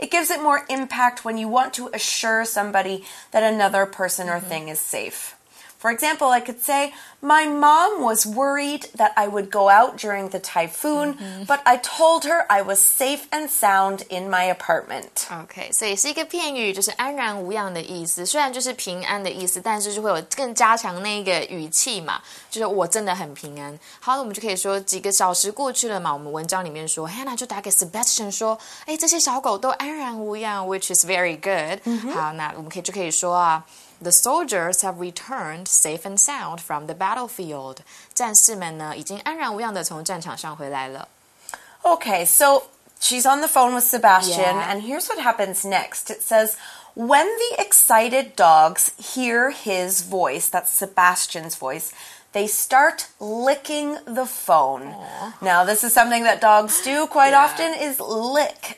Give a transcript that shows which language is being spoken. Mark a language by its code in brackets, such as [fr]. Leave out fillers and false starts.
[en] It gives it more impact when you want to assure somebody that another person or thing is safe. For example, I could say, my mom was worried that I would go out during the typhoon, but I told her I was safe and sound in my apartment. Okay, [zh] 所以是一个片语，就是安然无恙的意思。虽然就是平安的意思，但是就会有更加强那个语气嘛，就是我真的很平安。好，我们就可以说几个小时过去了嘛，我们文章里面说 Hannah 就打给 Sebastian 说，哎，这些小狗都安然无恙 ， [en] which is very good。 [zh] 好，那我们可以就可以说啊。 [en] The soldiers have returned safe and sound from the battlefield. [zh] 战士们呢，已经安然无恙地从战场上回来了。 [en] Okay, so she's on the phone with Sebastian, and here's what happens next. It says, when the excited dogs hear his voice, that's Sebastian's voice, they start licking the phone. Aww. Now, this is something that dogs do quite often, is lick.